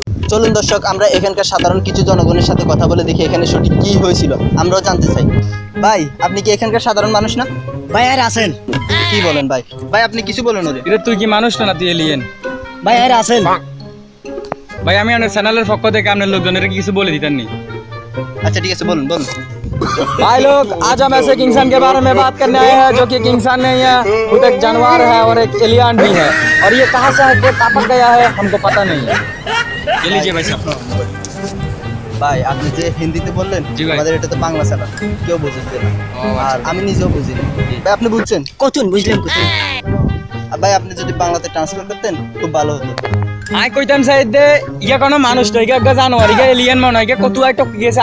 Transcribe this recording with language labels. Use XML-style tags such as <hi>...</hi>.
<bn>চলুন দর্শক, আমরা এখানকার সাধারণ কিছু জনগণের সাথে কথা বলে দেখি এখানে সঠিক কি হয়েছিল, আমরাও জানতে চাই। ভাই, আপনি কি এখানকার সাধারণ মানুষ না? ভাই আর আছেন কি বলেন? ভাই ভাই আপনি কিছু বলেন ওদের। তুই কি মানুষ না, তুই এলিয়েন? ভাই আর আছেন। ভাই আমি আপনার চ্যানেলের পক্ষ থেকে আপনার লোকজনের কিছু বলে দিতেননি। আচ্ছা ঠিক আছে, বলুন বলুন।</bn> <hi>भाई लोग, आज हम ऐसे किंगसन के बारे में बात करने आए हैं जो कि किंगसन नहीं है, खुद एक जानवर है और एक एलियन भी है। और ये कहां से है, कहां टपक गया है, हमको पता नहीं है। ये लीजिए भाई साहब।</hi> <bn>ভাই আপনি যে হিন্দিতে বললেন, আমাদের এটা তো বাংলা চ্যানেল, কেউ বুঝতে না। আর আমি নিজেও বুঝি না। ভাই আপনি বুঝছেন? কতন বুঝলেন কতন। আর ভাই আপনি যদি বাংলাতে ট্রান্সলেট করতেন খুব ভালো হতো। আয় কইতাম সাইড দে, ইয়া কোনো মানুষ তো, ইয়া জানোয়ার, ইয়া এলিয়ান মনে হয় কত আয় টক গেছে।</bn>